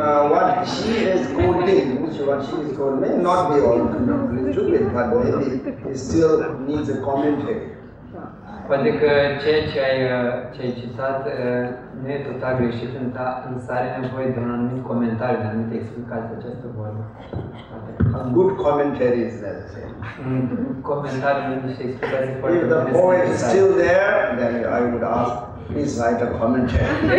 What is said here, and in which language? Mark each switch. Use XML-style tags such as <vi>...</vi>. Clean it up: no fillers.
<en>What she is quoting, may not be all stupid, but maybe it still needs a commentary.</en> <ro>Poate că ceea ce ai citat nu e total greșit, însă are nevoie de un anumit comentariu, de anumite explicații de această vorbă.</ro> <en>Good commentary is necessary.</en> <ro>Comentariu, nu niște explicații foarte bine.</ro> <en>If the poet is still there, then I would ask, please write a commentary.</en>